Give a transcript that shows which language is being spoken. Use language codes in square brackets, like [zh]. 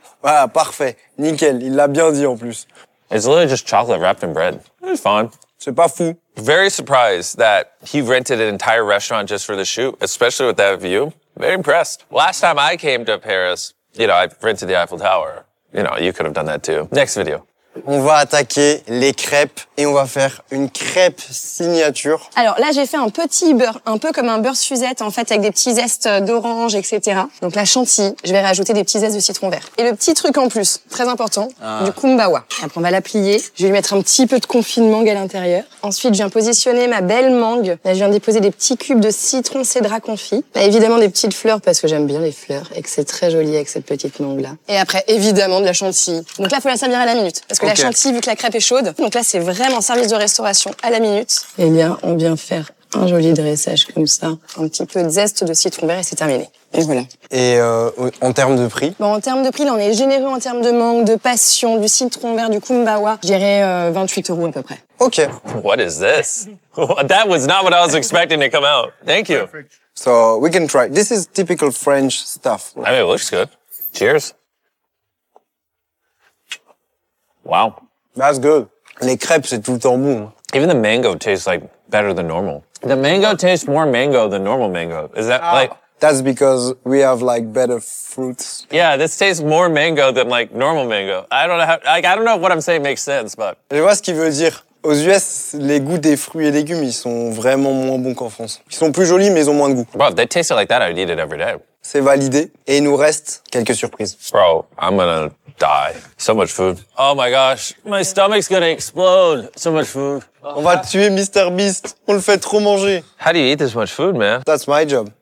[fr] Ah, parfait. Nickel. Il l'a bien dit, en plus. [en] It's literally just chocolate wrapped in bread. It's fine. C'est pas fou. Very surprised that he rented an entire restaurant just for the shoot, especially with that view. Very impressed. Last time I came to Paris, you know, I rented the Eiffel Tower. You know, you could have done that too. Next video. [fr] On va attaquer les crêpes et on va faire une crêpe signature. Alors là, j'ai fait un petit beurre, un peu comme un beurre Suzette, en fait, avec des petits zestes d'orange, etc. Donc la chantilly, je vais rajouter des petits zestes de citron vert. Et le petit truc en plus, très important, du kumbawa. Après, on va la plier. Je vais lui mettre un petit peu de confit de mangue à l'intérieur. Ensuite, je viens positionner ma belle mangue. Là, je viens déposer des petits cubes de citron cédra confit. Bah, évidemment, des petites fleurs parce que j'aime bien les fleurs et que c'est très joli avec cette petite mangue-là. Et après, évidemment, de la chantilly. Donc là, faut la servir à la minute. Parce que la chantilly, vu que la crêpe est chaude. Donc là, c'est vraiment service de restauration à la minute. Et bien, on vient faire un joli dressage comme ça. Un petit peu de zeste de citron vert et c'est terminé. Et voilà. Et en termes de prix? Bon, en termes de prix, là, on est généreux en termes de mangue, de passion, du citron vert, du kumbawa. Je dirais 28 euros à peu près. OK. [en] What is this? That was not what I was expecting to come out. Thank you. So, we can try. This is typical French stuff. I mean, it looks good. Cheers. Wow. That's good. [fr] Les crêpes, c'est tout le temps bon. [en] Even the mango tastes like better than normal. The mango tastes more mango than normal mango. Is that like... That's because we have like better fruits. Yeah, this tastes more mango than like normal mango. I don't know how, like, I don't know if what I'm saying makes sense, but... [fr] Je vois ce qu'il veut dire. Aux US, les goûts des fruits et légumes, ils sont vraiment moins bons qu'en France. Ils sont plus jolis, mais ils ont moins de goût. [en] Bro, if they tasted like that, I would eat it every day. [fr] C'est validé. Et il nous reste quelques surprises. [en] Bro, I'm gonna... die. So much food. Oh my gosh. My stomach's gonna explode. So much food. [fr] On va tuer Mr. Beast. On le fait trop manger. [en] How do you eat this much food, man? That's my job.